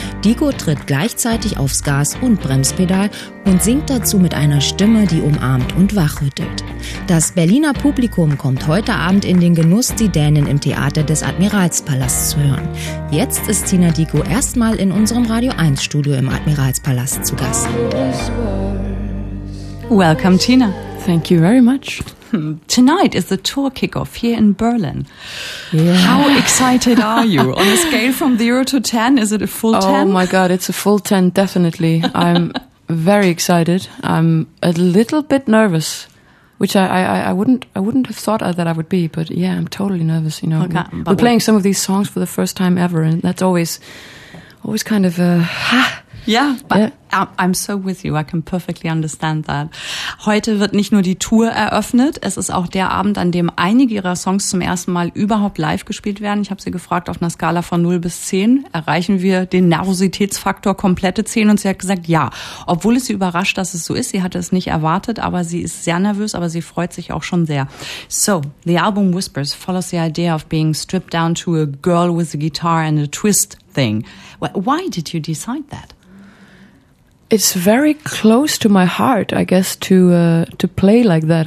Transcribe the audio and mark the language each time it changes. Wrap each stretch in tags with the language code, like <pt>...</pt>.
<de>Dicke tritt gleichzeitig aufs Gas- und Bremspedal und singt dazu mit einer Stimme, die umarmt und wachrüttelt. Das Berliner Publikum kommt heute Abend in den Genuss, die Dänen im Theater des Admiralspalasts zu hören. Jetzt ist Tina Dicke erstmal in unserem Radio 1 Studio im Admiralspalast zu Gast.</de> <en>Welcome, Tina. Thank you very much. Tonight is the tour kickoff here in Berlin. Yeah. How excited are you? On a scale from 0 to 10, is it a full 10? Oh my God, it's a full 10, definitely. I'm very excited. I'm a little bit nervous, which I wouldn't have thought that I would be, but yeah, I'm totally nervous, you know. Okay, we're playing some of these songs for the first time ever, and that's always kind of a... Yeah, I'm so with you. I can perfectly understand that.</en> <de>Heute wird nicht nur die Tour eröffnet, es ist auch der Abend, an dem einige ihrer Songs zum ersten Mal überhaupt live gespielt werden. Ich habe sie gefragt, auf einer Skala von 0 bis 10, erreichen wir den Nervositätsfaktor komplette 10? Und sie hat gesagt, ja. Obwohl es sie überrascht, dass es so ist. Sie hatte es nicht erwartet, aber sie ist sehr nervös, aber sie freut sich auch schon sehr.</de> <en>So, the album Whispers follows the idea of being stripped down to a girl with a guitar and a twist thing. Why did you decide that? It's very close to my heart, I guess, to play like that.</en>